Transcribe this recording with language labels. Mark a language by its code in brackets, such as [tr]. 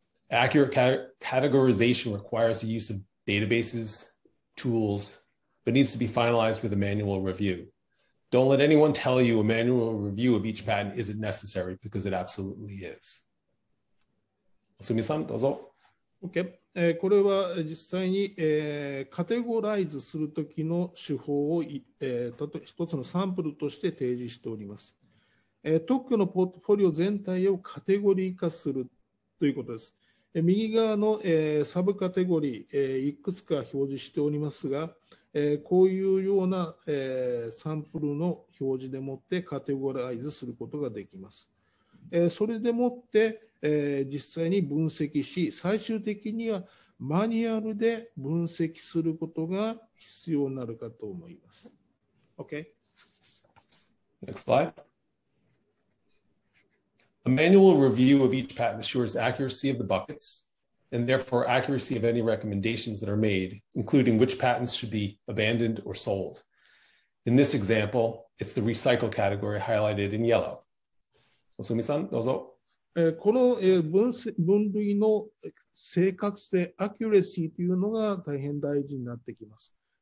[en] Accurate categorization requires the use of databases, tools, but needs to be finalized with a manual review. Don't let anyone tell you a manual review of each patent isn't necessary because it absolutely is. [ja] すみさん、どうぞ。 [en] OK。 [ja] これは実際に、カテゴライズするときの手法を、一つのサンプルとして提示しております。特許のポートフォリオ全体をカテゴリー化するということです。右側の、サブカテゴリー、いくつか表示しておりますが、こういうような、サンプルの表示でもってカテゴライズすることができます。それでもって、実際に分析し、最終的にはマニュアルで分析することが必要になるかと思います。 [en] Okay. Next slide. A manual review of each patent assures accuracy of the buckets and therefore accuracy of any recommendations that are made, including which patents should be abandoned or sold. In this example, it's the recycle category highlighted in yellow. [ja] Osumi-san, どうぞ。この分類の正確性、アキュレシーというのが大変大事になってきます。